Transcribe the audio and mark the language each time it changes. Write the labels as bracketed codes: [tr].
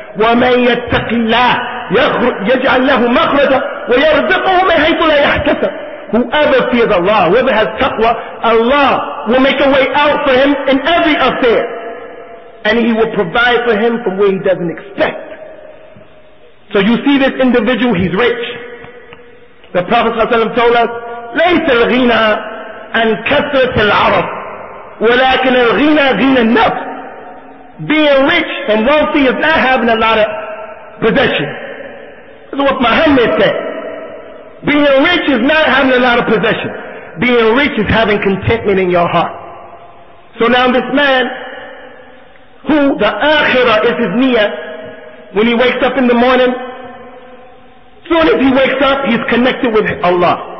[ar] وَمَنْ يَتَّقِ اللَّهِ يَجْعَلْ لَهُ مَخْرَجًا وَيَرْزِقُهُ مِنْ حَيْثُ لَا يَحْتَسَبْ. [en] Whoever fears Allah, whoever has taqwa, Allah will make a way out for him in every affair. And he will provide for him from where he doesn't expect. So you see this individual, he's rich. The Prophet ﷺ told us, [ar] لَيْسَ الْغِينَا أَنْ كَثْرَةَ الْعَرَفِ ولكن الغنى غنى النفس. [en] Being rich and wealthy is not having a lot of possessions. This is what Muhammad said. Being rich is not having a lot of possessions. Being rich is having contentment in your heart. So now this man, who the akhirah is his niyyah, when he wakes up in the morning, soon as he wakes up, he's connected with Allah.